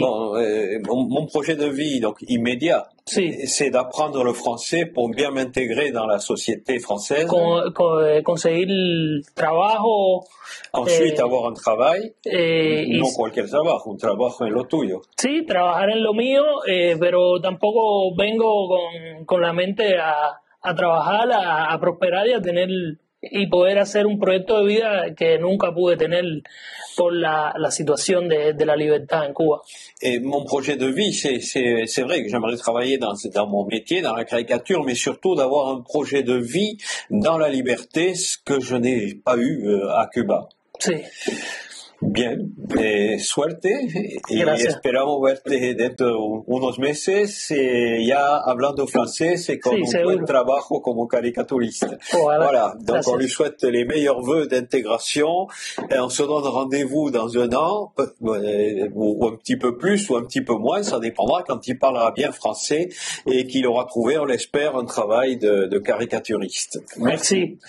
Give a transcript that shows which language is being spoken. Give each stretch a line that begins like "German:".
French: Bon, mon projet de vie, donc immédiat,
Spanish: sí.
French: c'est d'apprendre le français pour bien m'intégrer dans la société française.
Spanish: Conseguir trabajo
French: Ensuite, avoir un travail,
Spanish: y non cualquier trabajo, un trabajo en lo tuyo. sí, trabajar en lo mío, pero tampoco vengo con la mente a trabajar, a prosperar y a tener y poder hacer un proyecto de vida que nunca pude tener por la situación de la libertad en Cuba.
French: Et mon projet de vie, c'est vrai que j'aimerais travailler dans mon métier, dans la caricature, mais surtout d'avoir un projet de vie dans la liberté, ce que je n'ai pas eu à Cuba.
Spanish: Sí. Bien, suerte y Gracias. esperamos verte dentro de unos meses, ya hablando francés y con Sí, un buen seguro. trabajo como caricaturista. Ojalá.
French: Voilà, donc on lui
Spanish: Gracias.
French: souhaite les meilleurs voeux d'intégration et on se donne rendez-vous dans un an, ou un petit peu plus ou un petit peu moins, ça dépendra quand il parlera bien français et qu'il aura trouvé, on l'espère, un travail de caricaturiste. Merci.